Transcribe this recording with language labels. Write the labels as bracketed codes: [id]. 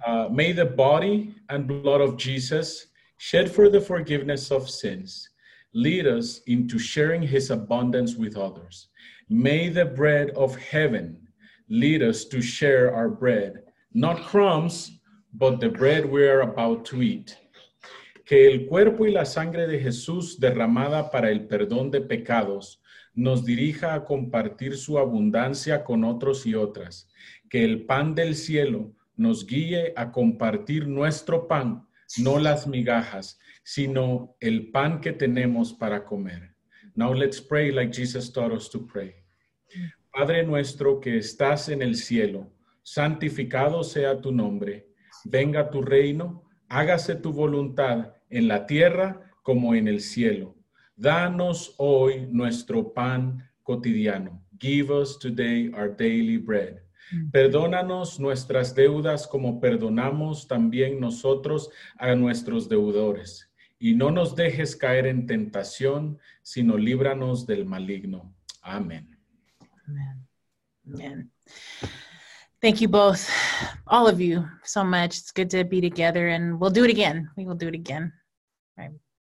[en] May the body and blood of Jesus, shed for the forgiveness of sins, lead us into sharing his abundance with others. May the bread of heaven lead us to share our bread, not crumbs, but the bread we are about to eat. [es] Que el cuerpo y la sangre de Jesús derramada para el perdón de pecados nos dirija a compartir su abundancia con otros y otras. Que el pan del cielo nos guíe a compartir nuestro pan, no las migajas, sino el pan que tenemos para comer. [en] Now let's pray like Jesus taught us to pray. [es] Padre nuestro que estás en el cielo, santificado sea tu nombre. Venga tu reino, hágase tu voluntad en la tierra como en el cielo. Danos hoy nuestro pan cotidiano. [en] Give us today our daily bread. [es] Perdónanos nuestras deudas como perdonamos también nosotros a nuestros deudores. Y no nos dejes caer en tentación, sino líbranos del maligno. Amén. [en] Amen. Thank you both, all of you, so much. It's good to be together, and we'll do it again. We will do it again. All right.